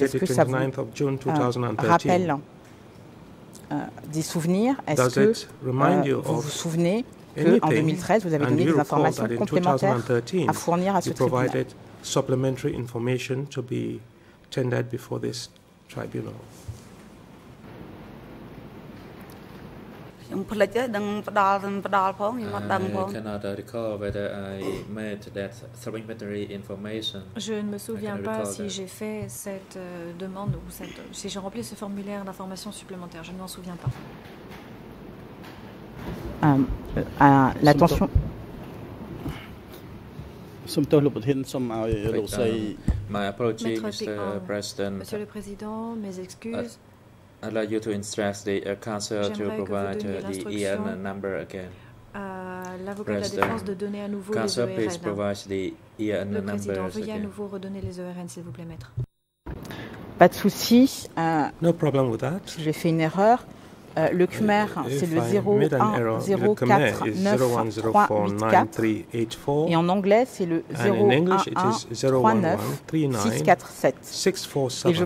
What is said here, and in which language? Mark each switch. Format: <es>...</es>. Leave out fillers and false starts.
<fr>Est-ce que ça vous rappelle des souvenirs? Est-ce</fr> <en>Does</en> <fr>que vous vous souvenez qu'en 2013, vous avez donné des informations complémentaires à fournir à ce tribunal?</fr> <en>Supplementary information to be tendered before this tribunal. I cannot recall whether I made that supplementary information.</en> <fr>Je ne me souviens pas si j'ai fait cette demande ou cette, si j'ai rempli ce formulaire d'information supplémentaire. Je ne m'en souviens pas. L'attention.</fr> <en>My apologies, Mr. President.</en> <fr>Monsieur le Président, mes excuses.</fr> <en>I'd like you to instruct the Council to provide the EN number again. President, Council, please provide the EN number again.</en> <fr>Veuillez à nouveau redonner les ERN, s'il vous plaît, maître. Pas de souci.</fr> <en>No problem with that.</en> <fr>J'ai fait une erreur. Le Khmer, c'est le 01049384. Et en anglais, c'est le 01139647.</fr>